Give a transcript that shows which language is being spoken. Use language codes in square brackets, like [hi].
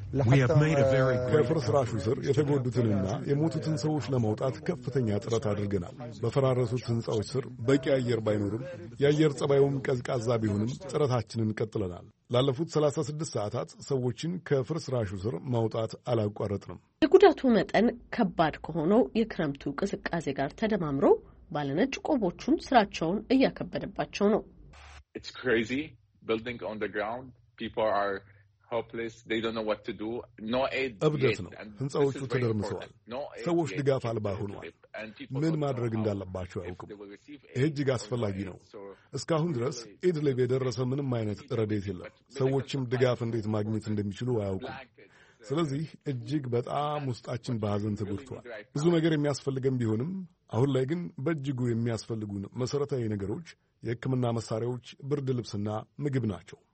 [ar] لحتى [am] ፍርስራሹ ዘር የተጎዱትና የሞቱትን ሰዎች ለማውጣት ከፍተኛ ጥረት አድርገናል። በፈራረሱት ህንጻዎች ስር በቂ አየር ባይኖርም የአየር ጸባዩም ቀዝቃዛ ቢሆንም ጥረታችንን ቀጥለናል። ላለፉት 36 ሰዓታት ሰዎችን ከፍርስራሹ ዘር ማውጣት አላቋረጥንም። የጉዳቱ መጠን ከባድ ከሆነው የክረምቱ ቅዝቃዜ ጋር ተደማምሮ ባለነጭ ቆቦቹም ስራቸውን እያከበደባቸው ነው። [en] It's crazy building on the ground. People are hopeless. They don't know what to do. No aid. [am] አብደት ነው። ህንጻዎቹ ተደርምሰዋል። ሰዎች ድጋፍ አልባ ሆነዋል። ምን ማድረግ እንዳለባቸው አያውቁም። እጅ ጋስፈላጊ ነው። እስካሁን ድረስ ኤድሊብ የደረሰ ምንም አይነት ረዴት የለም። ሰዎችም ድጋፍ እንዴት ማግኘት እንደሚችሉ አያውቁም። ስለዚህ እጅግ በጣም ውስጣችን በሐዘን ተጎድቷል። ብዙ ነገር የሚያስፈልገን ቢሆንም አሁን ላይ ግን በእጅጉ የሚያስፈልጉን መሰረታዊ ነገሮች የህክምና መሳሪያዎች፣ ብርድ ልብስና ምግብ ናቸው።